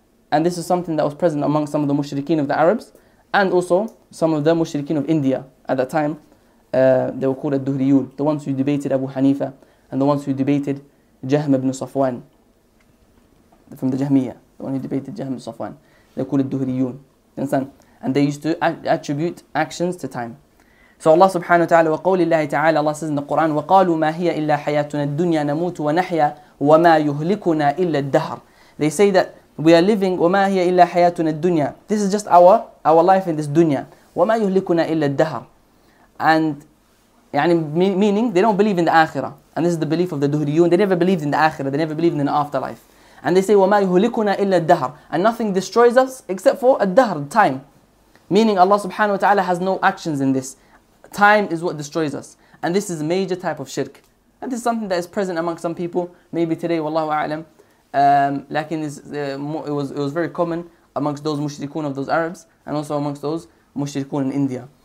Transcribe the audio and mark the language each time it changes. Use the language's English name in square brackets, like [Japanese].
[English] And this is something that was present among some of the mushrikeen of the Arabs. And also some of the mushrikeen of India at that time. They were called Al-Duhriyun, the ones who debated Abu Hanifa and the ones who debated Jahm ibn Safwan from the Jahmiyyah, the one who debated Jahm ibn Safwan. They were called Al-Duhriyun. Understand? And they used to attribute actions to time. So Allah subhanahu wa ta'ala, [Arabic] وَقَوْلِ اللَّهِ تَعَالَى, [English] Allah says in the Quran, [Arabic] وَقَالُوا مَا هِيَ إِلَّا حَيَاتُنَا الدُّنْيَا نَمُوتُ وَنَحْيَا وَمَا يُهْلِكُنَا إِلَّا الدَّهْرِ. [English] They say that we are living, [Arabic] وَمَا هِيَ إِلَّا حَيَاتُنَا الدُّنْيَا. [English] This is just our life in this dunya. [Arabic] وَمَا يُهْلِكُنَا إِلَّا الدَّهْرِ. [English] And يعني, meaning they don't believe in the Akhirah. And this is the belief of the Duhriyun. They never believed in the Akhirah. They never believed in the afterlife. [Arabic] And they say, وَمَا يُهُلِكُنَا إِلَّا الدَّهْرِ. [English] And nothing destroys us except for الدَّهْرِ, time. Meaning Allah subhanahu wa ta'ala has no actions in this. Time is what destroys us. And this is a major type of shirk. And this is something that is present among some people. Maybe today, wallahu a'lam, Lakin is it was very common amongst those mushrikun of those Arabs, and also amongst those mushrikun in India.